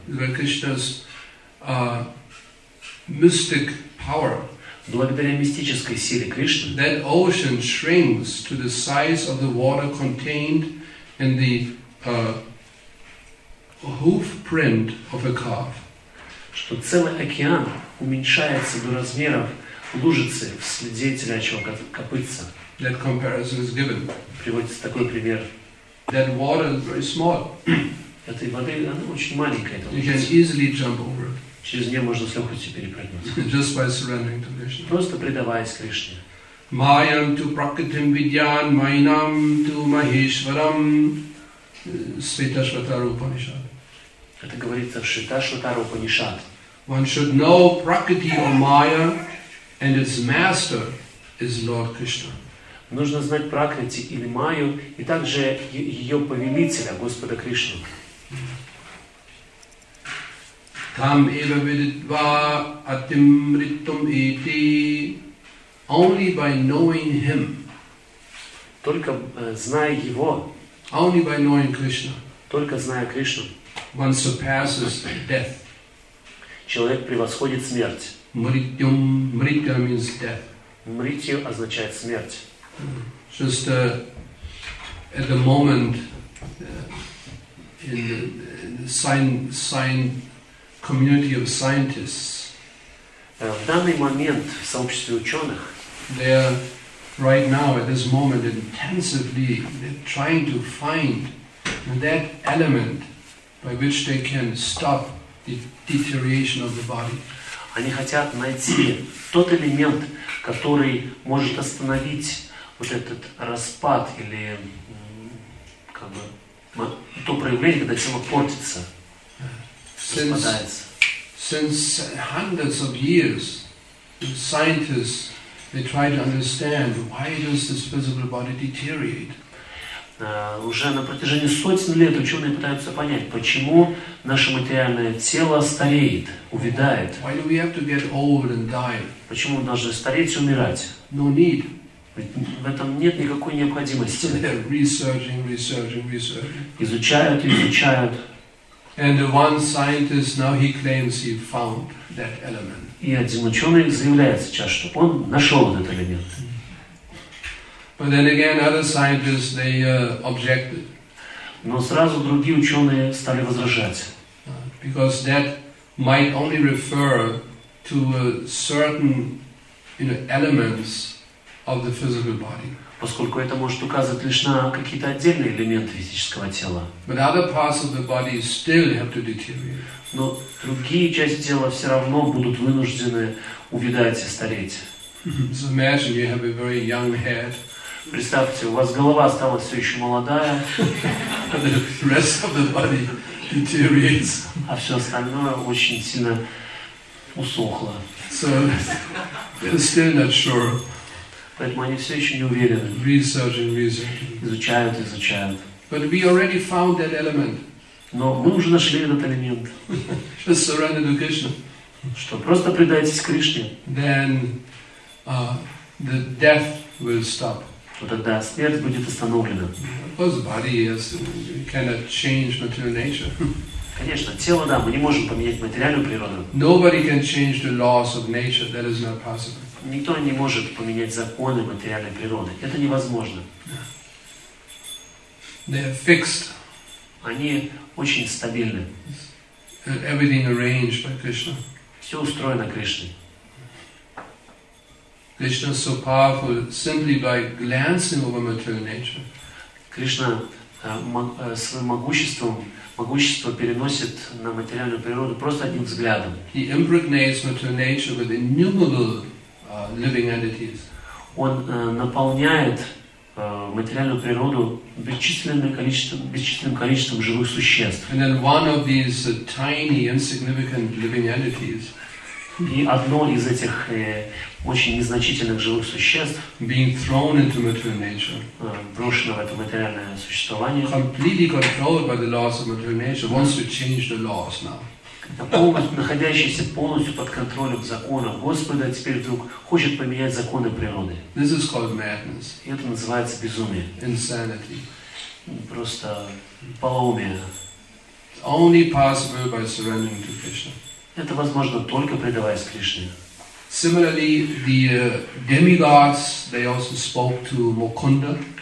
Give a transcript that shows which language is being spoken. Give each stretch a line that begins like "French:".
English: Like Krishna's mystic power.
Russian: Благодаря мистической силе Кришны.
English: That ocean shrinks to the size of the water contained in the hoof print of a calf.
Russian: Что целый океан уменьшается до размеров лужицы в следе телячьего копытца.
English: That comparison is given.
Russian: Приводится такой пример.
English: That water is very small.
Russian: Этой воды она очень маленькая.
English: You can easily jump over it.
Russian: Через нее можно с легкостью перепрыгнуть.
English: Just by surrendering to Krishna.
Russian: Просто предаваясь Кришне.
Sanskrit: Mayam tu prakritim vidyan, mainam tu maheshwaram.
English: Svetashvatara Upanishad.
Russian: Это говорится в Шриташватара Упанишад.
English: One should know prakriti or maya, and its master is Lord Krishna.
Russian: Нужно знать Пракрити или Майю, и также ее повелителя, Господа Кришну.
Sanskrit: Там эва видитва атимриттум ити.
English: Only by knowing Him.
Russian: Только зная Его.
English: Only by knowing Krishna.
Russian: Только зная Кришну.
English: One surpasses death.
Russian: Человек превосходит смерть.
Sanskrit: Мритьям.
English: Мритьям means death.
Russian: Мритью означает смерть.
English: Just at the moment in the community of scientists,
Russian: в данный момент в сообществе ученых,
English: they are right now at this moment intensively trying to find that element by which they can stop the deterioration of the body.
Russian: Они хотят найти тот элемент, который может остановить вот этот распад или как бы то проявление, когда тело портится, распадается.
English: Since hundreds of years, scientists they try to understand why does this physical body deteriorate.
Russian: Уже на протяжении сотен лет ученые пытаются понять, почему наше материальное тело стареет, увядает.
English: Why do we have to get old and die?
Russian: Почему мы должны стареть и умирать?
English: No need.
Russian: В этом нет никакой необходимости.
English: Researching.
Russian: Изучают.
English: And one scientist now he claims he found that element.
Russian: И один ученый заявляет сейчас, что он нашел этот элемент.
English: But then again, other scientists they objected.
Russian: Но сразу другие ученые стали возражать.
English: Because that might only refer to a certain, you know, elements of the physical body.
Russian: Поскольку это может указывать лишь на какие-то отдельные элементы физического тела.
English: But other parts of the body still have to deteriorate.
Russian: Но другие части тела все равно будут вынуждены увядать и стареть.
English: So imagine you have a very young head.
Russian: Представьте, у вас голова осталась все еще молодая.
English: The rest of the body deteriorates.
Russian: А все остальное очень сильно усохло.
English: So they're still not sure.
Russian: Поэтому они все еще не уверены.
English: Researching.
Russian: Изучают.
English: But we already found that element.
Russian: Но мы уже нашли этот элемент.
English: Just surrender to Krishna.
Russian: Что, просто предайтесь Кришне.
English: Then the death will stop.
Russian: То тогда смерть будет остановлена.
English: Of course, body is, cannot change material nature.
Russian: Конечно, тело, да, мы не можем поменять материальную природу.
English: Nobody can change the laws of nature. That is not possible.
Russian: Никто не может поменять законы материальной природы. Это невозможно.
English: They are fixed.
Russian: Они очень стабильны.
English: Everything arranged by Krishna.
Russian: Все устроено Кришной.
English: Krishna is so powerful simply by glancing over material nature.
Russian: Кришна своим могущество переносит на материальную природу просто одним взглядом.
English: He impregnates material nature with innumerable living entities.
Russian: Он наполняет материальную природу бесчисленным количеством живых существ.
English: And then one of these tiny, insignificant living entities.
Russian: И одно из этих очень незначительных живых существ,
English: being thrown into material nature,
Russian: брошено в это материальное существование,
English: completely controlled by the laws of material nature, wants to change the laws now.
Russian: Находящийся полностью под контролем законов Господа, теперь вдруг хочет поменять законы природы.
English: This is called madness.
Russian: Это называется безумие.
English: Insanity.
Russian: Просто полоумие.
English: Only possible by surrendering to Krishna.
Russian: Это возможно только предаваясь Кришне.
English: Similarly, the demigods they also spoke to Mukunda.